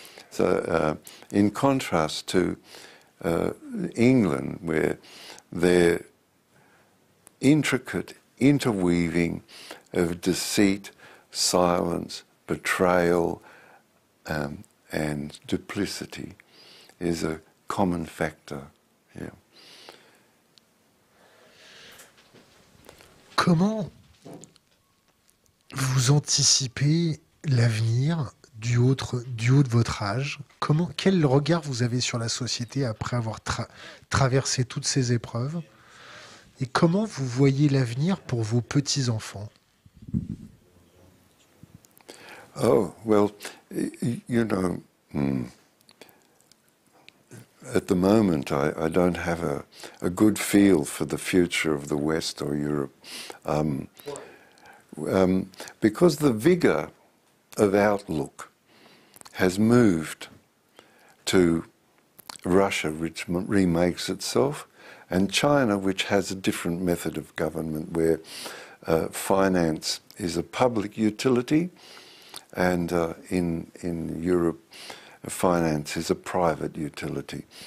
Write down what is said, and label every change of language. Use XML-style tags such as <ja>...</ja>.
<en>So in contrast to England, where their intricate interweaving of deceit, silence, betrayal, and duplicity is a common factor.</en> <fr>Comment vous anticipez l'avenir du haut de votre âge? Quel regard vous avez sur la société après avoir traversé toutes ces épreuves? Et comment vous voyez l'avenir pour vos petits-enfants?</fr> <en>Oh, well, you know, at the moment, I don't have a good feel for the future of the West or Europe. Because the vigor of outlook has moved to Russia, which remakes itself, and China, which has a different method of government, where finance is a public utility, and in Europe, finance is a private utility.</en>